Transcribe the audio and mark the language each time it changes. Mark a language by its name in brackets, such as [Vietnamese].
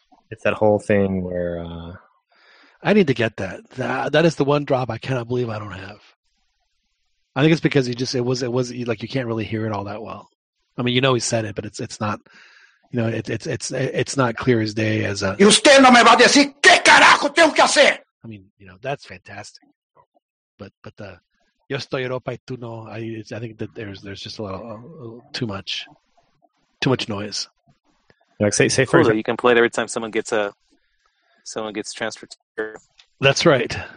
[English] It's that whole thing where I need to get that is the one drop I cannot believe I don't have. I think it's because it was like you can't really hear it all that well. I mean, you know he said it, but it's not clear as day as a. [Spanish] Usted no me va a decir qué carajo tengo que hacer. [English] I mean, you know, that's fantastic, but the [Spanish] yo estoy Europa y tú no. [English] I think that there's just a little too much noise. Like say for example, you can play it every time someone gets transferred That's right.